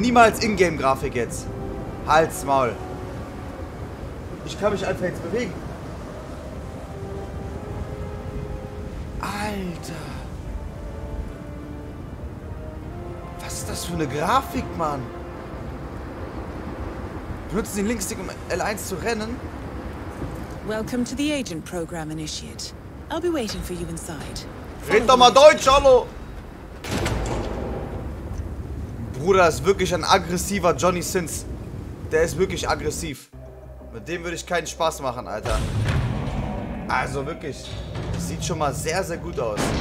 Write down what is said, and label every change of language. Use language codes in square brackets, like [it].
[de] Niemals Ingame-Grafik jetzt. Halt's Maul. Ich kann mich einfach jetzt bewegen. Alter. Was ist das für eine Grafik, Mann? Benutzen Sie den Linkstick, um L1 zu rennen? [en] Welcome to the Agent Program Initiate. I'll be waiting for you inside. [de] Red doch mal Deutsch, hallo! Bruder, das ist wirklich ein aggressiver Johnny Sins. Der ist wirklich aggressiv. Mit dem würde ich keinen Spaß machen, Alter. Also wirklich, das sieht schon mal sehr, sehr gut aus.